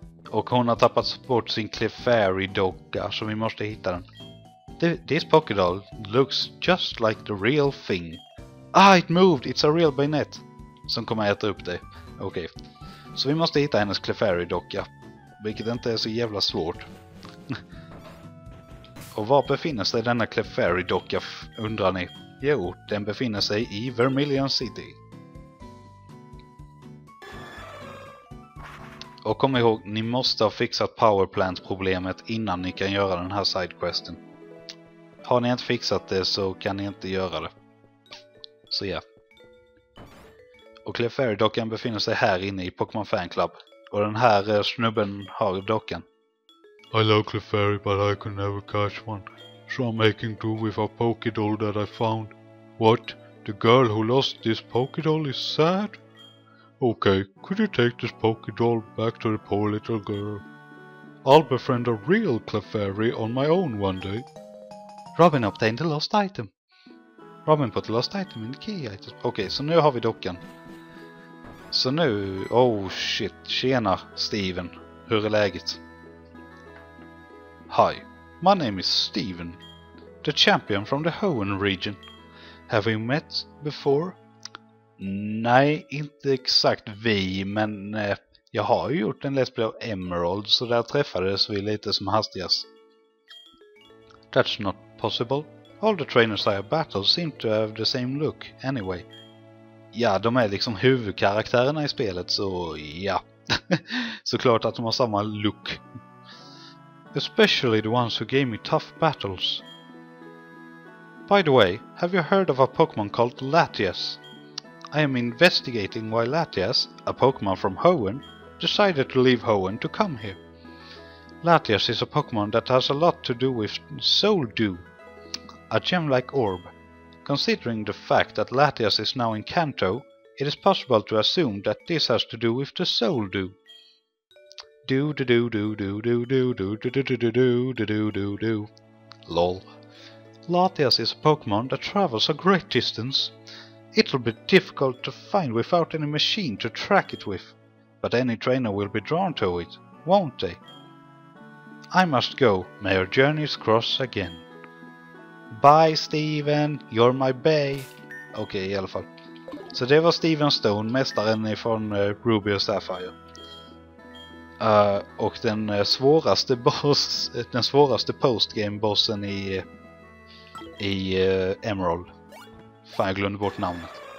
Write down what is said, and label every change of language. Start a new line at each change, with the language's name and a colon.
Swedish: Och hon har tappat bort sin Clefairy-docka, så vi måste hitta den.
English: This Pokédoll looks just like the real thing. Ah, it moved! It's a real Bayonet!
Swedish: Som kommer äta upp dig. Okej. Så vi måste hitta hennes Clefairy-docka. Vilket inte är så jävla svårt. Och var befinner sig denna Clefairy-docka, undrar ni? Jo, den befinner sig i Vermilion City. Och kom ihåg, ni måste ha fixat powerplant-problemet innan ni kan göra den här sidequesten. Har ni inte fixat det så kan ni inte göra det. Så ja. Och Clefairy-dockan befinner sig här inne i Pokémon Fan Club. Och den här snubben har dockan.
English: I love Clefairy, but I could never catch one. So I'm making do with a Pokédoll that I found. What? The girl who lost this Pokédoll is sad? Okay, could you take this Pokédoll back to the poor little girl? I'll befriend a real Clefairy on my own one day. Robin obtained the lost item. Robin put the lost item in the key item. Okay,
Swedish: så nu har vi dockan. Så nu...
English: Oh shit,
Swedish: tjena Steven. Hur är läget?
English: Hi. My name is Steven, the champion from the Hoenn region. Have we met before?
Swedish: Nej, inte exakt vi, men jag har ju gjort en Let's Play of Emerald, så där träffades vi lite som hastigast.
English: That's not possible. All the trainers I have battled seem to have the same look, anyway.
Swedish: Ja, de är liksom huvudkaraktärerna i spelet, så ja. Såklart att de har samma look.
English: Especially the ones who gave me tough battles. By the way, have you heard of a Pokémon called Latias? I am investigating why Latias, a Pokémon from Hoenn, decided to leave Hoenn to come here. Latias is a Pokémon that has a lot to do with Soul Dew, a gem-like orb. Considering the fact that Latias is now in Kanto, it is possible to assume that this has to do with the Soul Dew. Do do do do do do do do do do do do do do do do do. Lol. Latias is a Pokemon that travels a great distance. It'll be difficult to find without any machine to track it with. But any trainer will be drawn to it, won't they? I must go. May our journeys cross again. Bye, Steven. You're my bae.
Swedish: Okej, i alla fall. Så det var Steven Stone, mästaren ifrån Ruby och Sapphire. Och den svåraste boss, den svåraste postgame-bossen i Emerald. Fan, jag glömde bort namnet.